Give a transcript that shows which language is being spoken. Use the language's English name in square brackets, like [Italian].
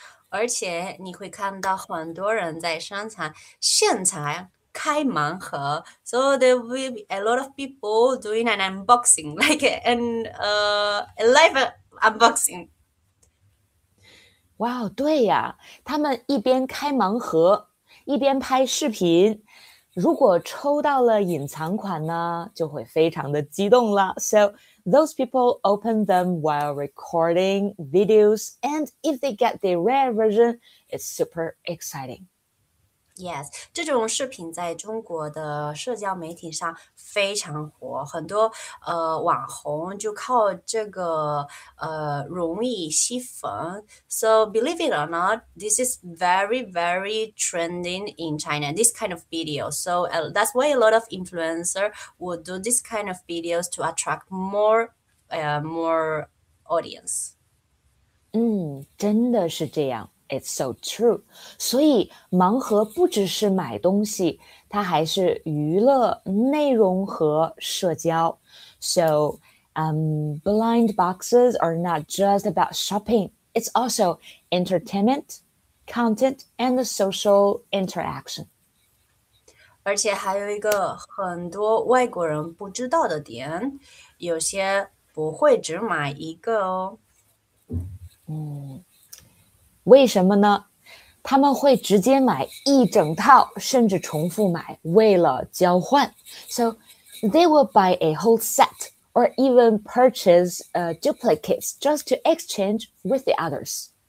[Chinese] 而且你会看到很多人在商场现场开盲盒， [English] so there will be a lot of people doing an unboxing, like a live unboxing. [Chinese] 哇哦，对呀，他们一边开盲盒，一边拍视频。如果抽到了隐藏款呢，就会非常的激动了。 [English] So those people open them while recording videos, and if they get the rare version, it's super exciting. [Chinese] Yes，这种视频在中国的社交媒体上非常火，很多网红就靠这个容易吸粉。 [English] So believe it or not, this is very very trending in China, this kind of video. So that's why a lot of influencer will do this kind of videos to attract more audience. [Chinese] 真的是这样， [English] It's so true。 [Chinese] 所以盲盒不只是买东西，它还是娱乐、内容和社交。 [English] So, blind boxes are not just about shopping; it's also entertainment, content, and social interaction. [Chinese] 而且还有一个很多外国人不知道的点，有些不会只买一个哦。为什么呢？他们会直接买一整套，甚至重复买，为了交换。 [English] So they will buy a whole set or even purchase duplicates just to exchange with the others.